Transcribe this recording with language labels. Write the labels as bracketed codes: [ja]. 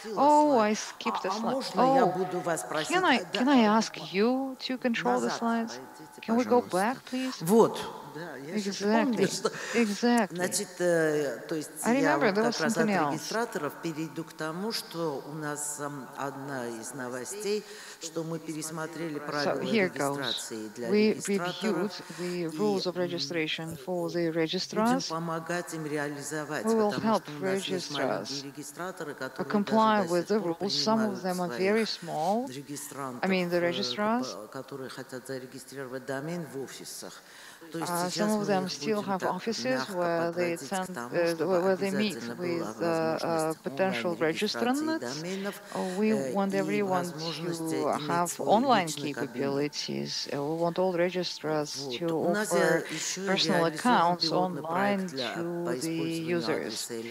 [en] Oh, I skipped a slide. Can I ask you to control the slides? Can we go back, please? [ru] Вот. [en] Exactly. [ru] Значит, то есть я как раз от регистраторов перейду к тому, что у нас одна из новостей, что мы пересмотрели правила регистрации для регистраторов. И будем помогать им реализовать, потому что у нас есть маленькие регистраторы, которые [en] comply with the rules. Some of them are very small. I mean, the registrars, [ru] которые хотят зарегистрировать домен в офисах. [en] Some of them still have offices where they attend, where they meet with potential registrants. We want everyone to have online capabilities. We want all registrars to offer personal accounts online to the users.